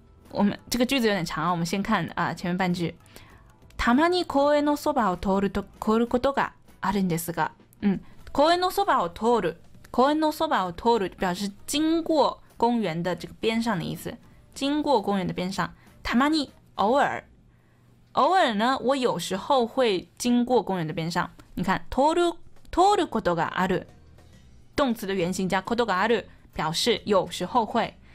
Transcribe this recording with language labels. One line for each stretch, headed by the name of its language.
Chinese: 我们这个句子有点长，我们先看啊前面半句。
Japanese: たまに公園のそばを通ることがあるんですが、公園のそばを通る
Chinese: 表示经过公园的这个边上的意思，经过公园的边上。
Japanese: たまに
Chinese: 偶尔。偶尔呢我有时候会经过公园的边上，你看
Japanese: 通ることがある，
Chinese: 动词的原型加
Japanese: ことがある，
Chinese: 表示有时候会。